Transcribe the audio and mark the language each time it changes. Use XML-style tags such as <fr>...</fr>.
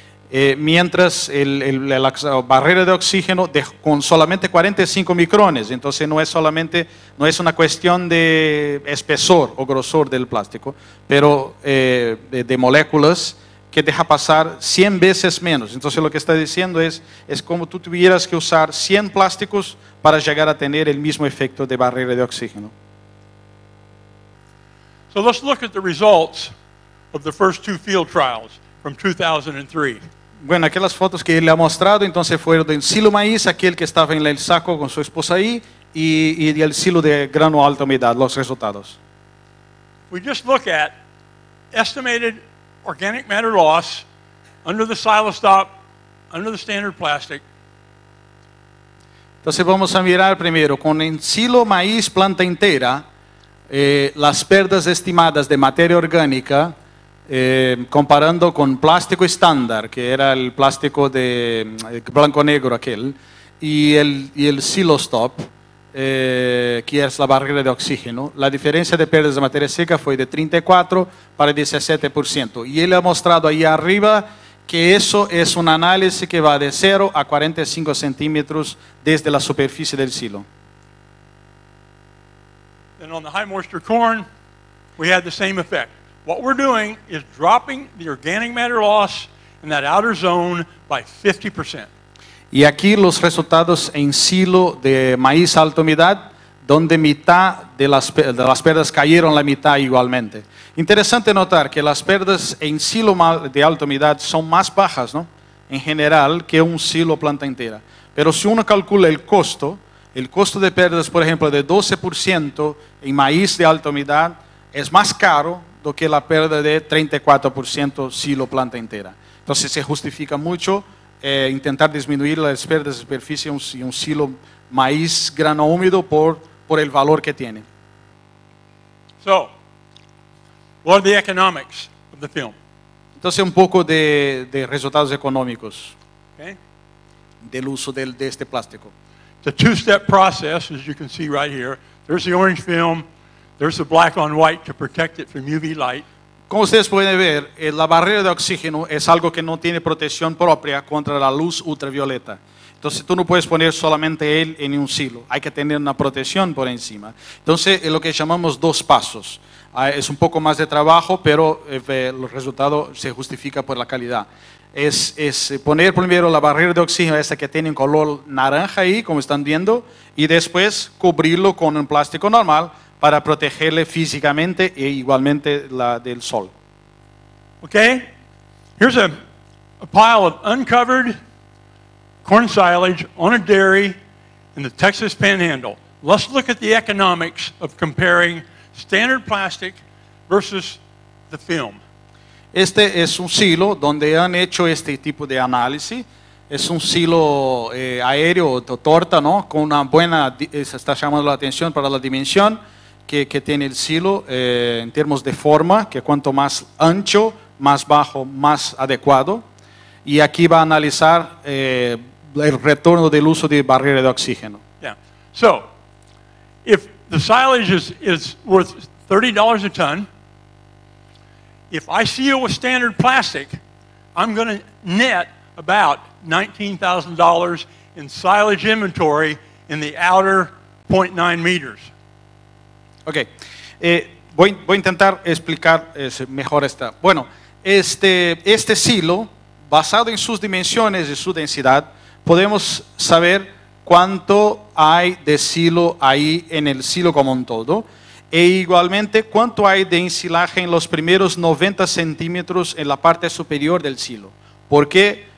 <es>Mientras la barrera de oxígeno con solamente 45 micrones, entonces no es una cuestión de espesor o grosor del plástico, pero de moléculas que deja pasar 100 veces menos. Entonces lo que está diciendo es como tú tuvieras que usar 100 plásticos para llegar a tener el mismo efecto de barrera de oxígeno.</es> <en>So let's look at the results of the first two field trials from 2003.</en> <es>Bueno, aquellas fotos que él le ha mostrado, entonces fueron del silo maíz, aquel que estaba en el saco con su esposa ahí, y del silo de grano alta humedad, los resultados.</es> <en>We just look at estimated organic matter loss under the silo stop, under the standard plastic.</en> <es>Entonces vamos a mirar primero, con el silo maíz planta entera, las pérdidas estimadas de materia orgánica, comparando con plástico estándar, que era el plástico de blanco-negro aquel, y el silostop, que es la barrera de oxígeno, la diferencia de pérdidas de materia seca fue de 34 para 17%. Y él ha mostrado ahí arriba que eso es un análisis que va de 0 a 45 centímetros desde la superficie del silo.</es> <en>And on the high moisture corn, we had the same effect. What we're doing is dropping the organic matter loss in that outer zone by 50%.</en> <es>Y aquí los resultados en silo de maíz alta humedad, donde mitad de las pérdidas cayeron la mitad igualmente. Interesante notar que las pérdidas en silo de alta humedad son más bajas, ¿no? En general, que un silo planta entera. Pero si uno calcula el costo, El costo de pérdidas, por ejemplo, de 12% en maíz de alta humedad es más caro do que la pérdida de 34% si lo planta entera. Entonces se justifica mucho intentar disminuir las pérdidas de superficie en un silo maíz grano húmedo por el valor que tiene.</es> <en>So, what are the economics of the film?</en> <es>Entonces un poco de resultados económicos,</es> <en>okay,</en> <es>del uso de este plástico.</es> <en>It's a two-step process, as you can see right here. There's the orange film. There's the black on white to protect it from UV light.</en> <es>Como ustedes pueden ver, la barrera de oxígeno es algo que no tiene protección propia contra la luz ultravioleta. Entonces tú no puedes poner solamente él en un silo. Hay que tener una protección por encima. Entonces es lo que llamamos dos pasos. Es un poco más de trabajo, pero el resultado se justifica por la calidad. Es poner primero la barrera de oxígeno, esta que tiene un color naranja ahí, como están viendo, y después cubrirlo con un plástico normal para protegerle físicamente e igualmente la del sol.</es> <en>Okay, here's a pile of uncovered corn silage on a dairy in the Texas Panhandle. Let's look at the economics of comparing standard plastic versus the film.</en> <es>Este es un silo donde han hecho este tipo de análisis. Es un silo aéreo o torta, ¿no? Con una buena, se está llamando la atención para la dimensión que tiene el silo en términos de forma, que cuanto más ancho, más bajo, más adecuado. Y aquí va a analizar el retorno del uso de barrera de oxígeno.</es> <en>Yeah. So, if the silage is worth $30 a ton, if I seal with standard plastic, I'm going to net about $19,000 in silage inventory in the outer 0.9 meters.</en> <es>Okay, voy a intentar explicar mejor esta. Bueno, este silo, basado en sus dimensiones y su densidad, podemos saber cuánto hay de silo ahí en el silo como un todo, e igualmente cuánto hay de ensilaje en los primeros 90 centímetros en la parte superior del silo. ¿Por qué?</es>